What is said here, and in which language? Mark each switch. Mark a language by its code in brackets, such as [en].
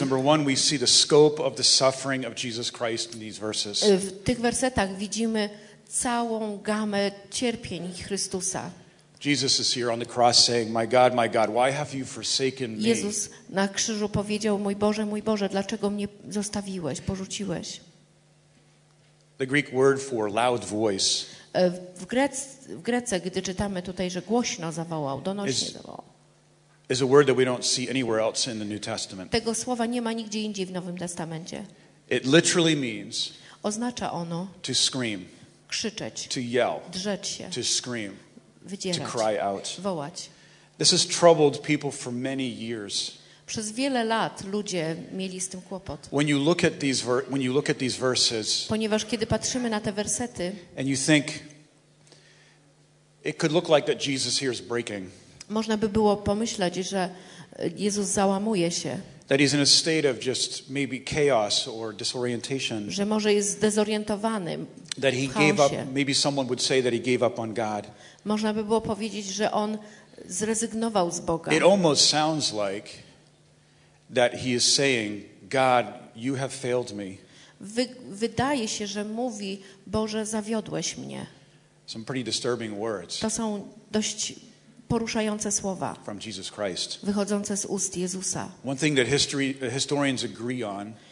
[en] Number one, we see the scope of the suffering of Jesus Christ in these verses. [pl] W tych wersetach widzimy całą gamę cierpień Chrystusa. [en] Jesus is here on the cross saying, my God, why have you forsaken me? [pl] Jezus na krzyżu powiedział, mój Boże, dlaczego mnie zostawiłeś, porzuciłeś? [en] The Greek word for loud voice. [pl] W grece, gdy czytamy tutaj, że głośno zawołał, donośnie zawołał. [en] Is a word that we don't see anywhere else in the New Testament. [pl] Tego słowa nie ma nigdzie indziej w Nowym Testamencie. [en] It literally means. [pl] Oznacza ono. [en] To scream. [pl] Krzyczeć. [en] To yell. [pl] Drzeć się. [en] To scream. [pl] Wydzierać. [en] To cry out. [pl] Wołać. [en] This has troubled people for many years. [pl] Przez wiele lat ludzie mieli z tym kłopot. [en] When you look at these verses, [pl] ponieważ kiedy patrzymy na te wersety, [en] and you think it could look like that Jesus here is breaking. [pl] Można by było pomyśleć, że Jezus załamuje się. [en] That he's in a state of just maybe chaos or disorientation. [pl] Że może jest zdezorientowany. [en] That he gave up, maybe someone would say that he gave up on God. [pl] Można by było powiedzieć, że on zrezygnował z Boga. [en] It almost sounds like that he is saying, God, you have failed me. [pl] Wydaje się, że mówi, Boże, zawiodłeś mnie. [en] Some pretty disturbing words. [pl] To są dość poruszające słowa. [en] From Jesus Christ. [pl] Wychodzące z ust Jezusa. [en] One thing that historians agree on.